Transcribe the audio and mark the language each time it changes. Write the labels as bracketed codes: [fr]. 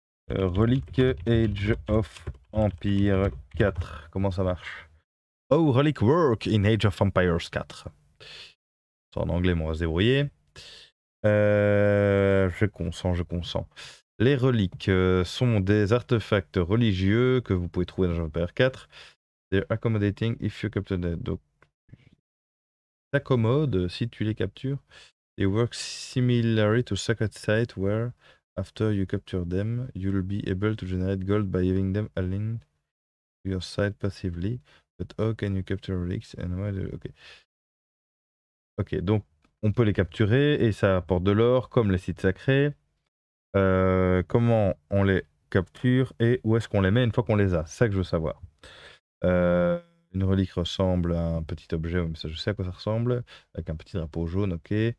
[fr] Relique Age of Empire 4. Comment ça marche? Oh, Relic Work in Age of Empires 4. C'est en anglais, mais on va se débrouiller. Je consens. Les reliques sont des artefacts religieux que vous pouvez trouver dans Vampire 4. [en] They're accommodating if you capture them. [fr] Donc, t'accommodes si tu les captures. [en] They work similarly to sacred site where, after you capture them, you'll be able to generate gold by having them aligned to your site passively. But how can you capture reliques and why do... Okay. [fr] Ok, donc on peut les capturer et ça apporte de l'or comme les sites sacrés. Comment on les capture et où est-ce qu'on les met une fois qu'on les a, c'est ça que je veux savoir. Une relique ressemble à un petit objet, mais ça je sais à quoi ça ressemble, avec un petit drapeau jaune, ok.